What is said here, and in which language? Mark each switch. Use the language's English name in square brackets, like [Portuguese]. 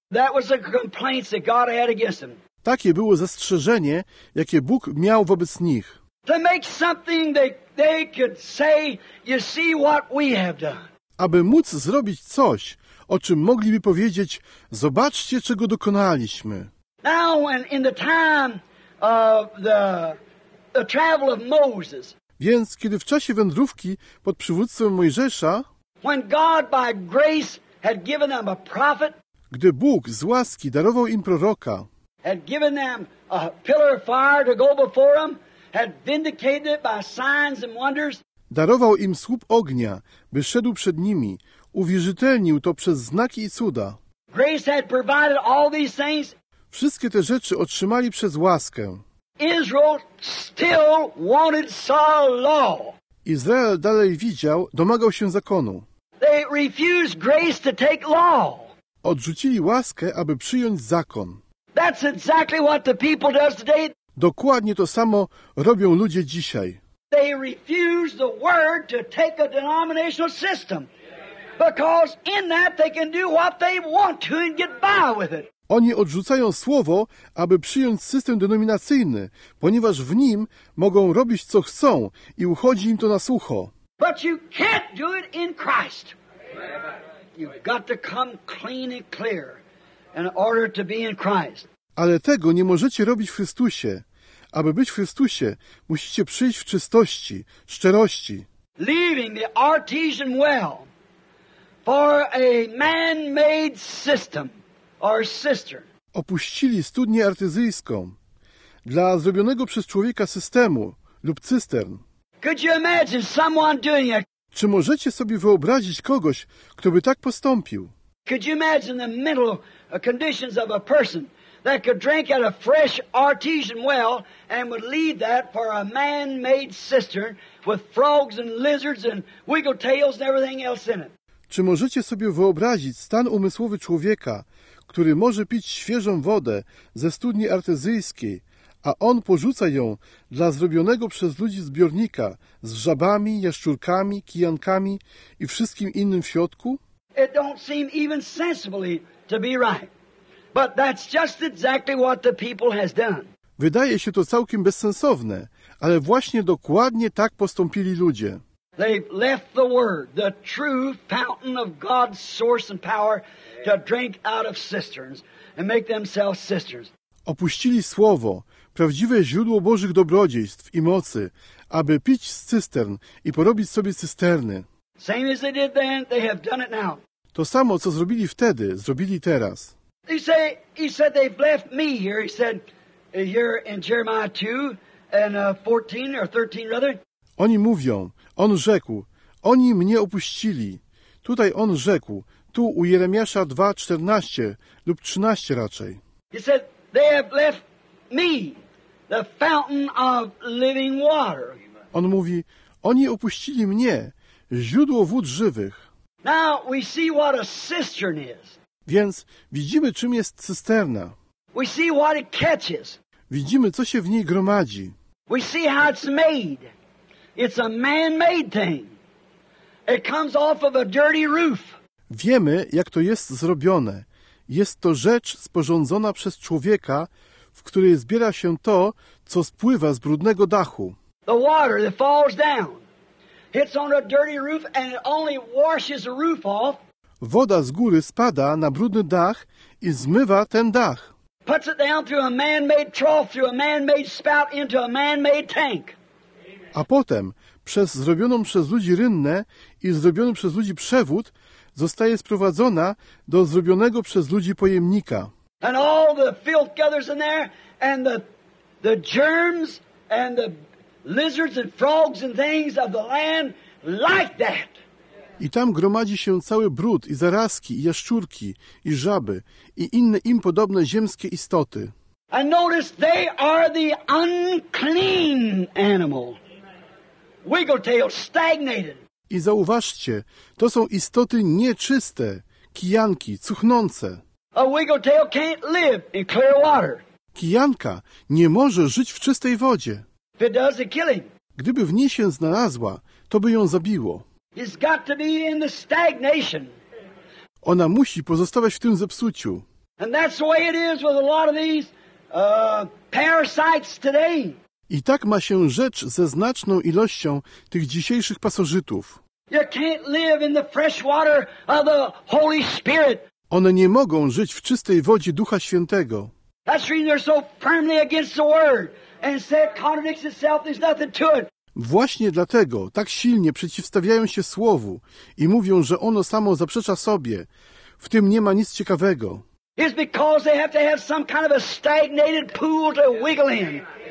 [English] That was a complaint that God had against them. [Polish] Takie było zastrzeżenie, jakie Bóg miał wobec nich. [English] To make something they could say, you see what we have done. [Polish] Aby móc zrobić coś, o czym mogliby powiedzieć, zobaczcie, czego dokonaliśmy. [English] Now when in the time of the travel of Moses. [Polish] Więc kiedy w czasie wędrówki pod przywództwem Mojżesza, [English] when God by grace had given them a prophet, [Polish] gdy Bóg z łaski darował im proroka, [English] had given them a pillar of fire to go before them, had vindicated it by signs and wonders. [Polish] Darował im słup ognia, by szedł przed nimi, uwierzytelnił to przez znaki i cuda. [English] Grace had provided all these things. [Polish] Wszystkie te rzeczy otrzymali przez łaskę. [English] Israel still wanted Saul law. [Polish] Izrael dalej widział, domagał się zakonu. [English] They refused grace to take law. [Polish] Odrzucili łaskę, aby przyjąć zakon. [English] That's exactly what the people does today. [Polish] Dokładnie to samo robią ludzie dzisiaj. [English] They refuse the word to take a denominational system because in that they can do what they want to and get by with it. [Polish] Oni odrzucają słowo, aby przyjąć system denominacyjny, ponieważ w nim mogą robić co chcą i uchodzi im to na sucho. [English] But you can't do it in Christ. You've got to come clean and clear in order to be in Christ. [Polish] Ale tego nie możecie robić w Chrystusie. Aby być w Chrystusie, musicie przyjść w czystości, szczerości. [English] Leaving the artesian well for a man-made system or sister. [Polish] Opuścili studnię artyzyjską dla zrobionego przez człowieka systemu lub cystern. [English] Could you imagine someone doing it? [Polish] Czy możecie sobie wyobrazić kogoś, kto by tak postąpił? [English] Could you imagine the mental conditions of a person that could drink out a fresh artesian well and would leave that for a man-made cistern with frogs and lizards and wiggle tails and everything else in it? [Polish] Czy możecie sobie wyobrazić stan umysłowy człowieka, który może pić świeżą wodę ze studni artezyjskiej, a on porzuca ją dla zrobionego przez ludzi zbiornika z żabami, jaszczurkami, kijankami i wszystkim innym w środku? [English] It don't seem even sensibly to be right. But that's just exactly what the people has done. [Polish] Wydaje się to całkiem bezsensowne, ale właśnie dokładnie tak postąpili ludzie. [English] They've left the word, the true fountain of God's source and power, to drink out of cisterns and make themselves cisterns. [Polish] Opuścili słowo, prawdziwe źródło Bożych dobrodziejstw i mocy, aby pić z cystern i porobić sobie cysterny. [English] Same as they did then, they have done it now. [Polish] To samo, co zrobili wtedy, zrobili teraz. [English] He said they've left me here. He said here in Jeremiah 2 and 14 or 13 rather. [Polish] Oni mówią, on rzekł, oni mnie opuścili. Tutaj on rzekł, tu u Jeremiasza 2:14 lub 13 raczej. [English] He said they have left me, the fountain of living water. [Polish] On mówi, oni opuścili mnie, źródło wód żywych. [English] Now we see what a cistern is. [Polish] Więc widzimy, czym jest cysterna. [English] We see what it catches. [Polish] Widzimy, co się w niej gromadzi. [English] We see how it's made. It's a man-made thing. It comes off of a dirty roof. [Polish] Wiemy, jak to jest zrobione. Jest to rzecz sporządzona przez człowieka, w której zbiera się to, co spływa z brudnego dachu. [English] The water that falls down hits on a dirty roof and it only washes the roof off. [Polish] Woda z góry spada na brudny dach i zmywa ten dach. [English] Puts it down through a man-made trough, through a man-made spout into a man-made tank. [Polish] A potem przez zrobioną przez ludzi rynnę i zrobiony przez ludzi przewód zostaje sprowadzona do zrobionego przez ludzi pojemnika. [English] And all the filth gathers in there and the germs and the lizards and frogs and things of the land like that. [Polish] I tam gromadzi się cały brud i zarazki i jaszczurki i żaby i inne im podobne ziemskie istoty. [English] And notice they are the unclean animal. Wiggletail stagnated. [Polish] I zauważcie, to są istoty nieczyste, kijanki, cuchnące. [English] A wiggletail can't live in clear water. [Polish] Kijanka nie może żyć w czystej wodzie. [English] If it does, it kill him. [Polish] Gdyby w niej się znalazła, to by ją zabiło. [English] It's got to be in the stagnation. [Polish] Ona musi pozostawać w tym zepsuciu. [English] And that's the way it is with a lot of these parasites today. [Polish] I tak ma się rzecz ze znaczną ilością tych dzisiejszych pasożytów. [English] You can't live in the fresh water of the Holy Spirit. [Polish] One nie mogą żyć w czystej wodzie Ducha Świętego. [English] That's why they're so firmly against the word and say it contradicts itself. There's nothing to it. [Polish] Właśnie dlatego tak silnie przeciwstawiają się Słowu i mówią, że ono samo zaprzecza sobie. W tym nie ma nic ciekawego. [English] It's because they have to have some kind of a stagnated pool to wiggle in.